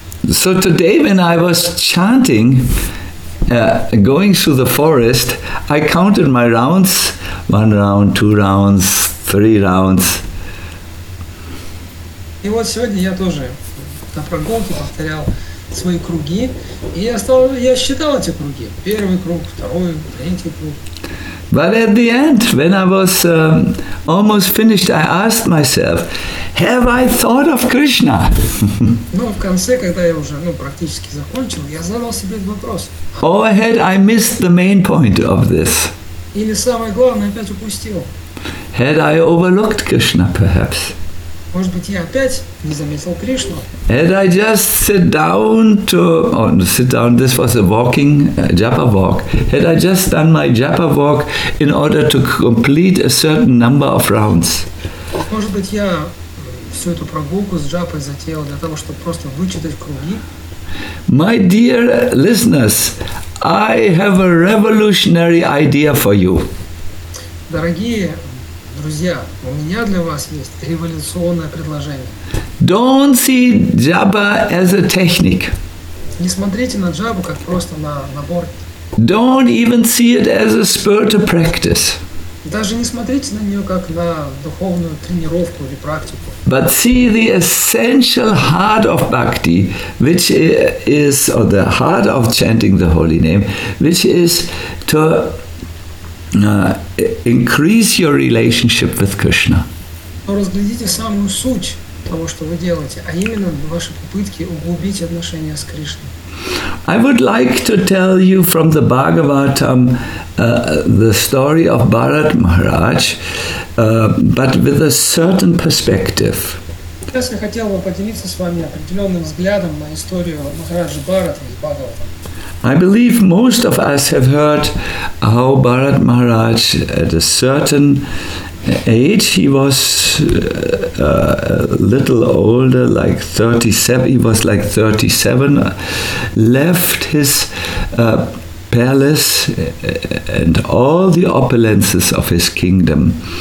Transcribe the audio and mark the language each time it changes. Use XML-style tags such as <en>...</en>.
<en>So today when I was chanting, going through the forest, I counted my rounds, one round, two rounds, three rounds.</en> <ru>И вот сегодня я тоже на прогулке повторял свои круги, и я считал эти круги. Первый круг, второй, третий круг.</ru> <en>But at the end, when I was almost finished, I asked myself, have I thought of Krishna?</en> <ru>Но в конце, когда я уже практически закончил, я задал себе этот вопрос.</ru> <en>Or had I missed the main point of this?</en> <ru>Или самое главное опять упустил?</ru> <en>Had I overlooked Krishna, perhaps?</en> <ru>Может быть, я опять не заметил Кришну?</ru> <en>And I just sit down to, this was a walking, japa walk. Had I just done my japa walk in order to complete a certain number of rounds?</en> <ru>Может быть, я всю эту прогулку с джапой затеял для того, чтобы просто вычитать круги?</ru> <en>My dear listeners, I have a revolutionary idea for you.</en> <ru>Дорогие друзья, у меня для вас есть революционное предложение.</ru> <en>Don't see japa as a technique.</en> <ru>Не смотрите на джабу как просто на набор.</ru> <en>Don't even see it as a spur to practice.</en> <ru>Даже не смотрите на нее как на духовную тренировку или практику.</ru> <en>But see the essential heart of bhakti, which is, or the heart of chanting the holy name, which is to increase your relationship with Krishna.</en> <ru>Разглядите самую суть того, что вы делаете, а именно ваши попытки углубить отношения с Кришной.</ru> <en>I would like to tell you from the Bhagavatam the story of Bharat Maharaj, but with a certain perspective.</en> <ru>Сейчас я хотел бы поделиться с вами определенным взглядом на историю Махараджи Бхарата из Бхагаватам.</ru> <en>I believe most of us have heard how Bharat Maharaj, at a certain age, he was a little older, like 37, left his palace and all the opulences of his kingdom.</en>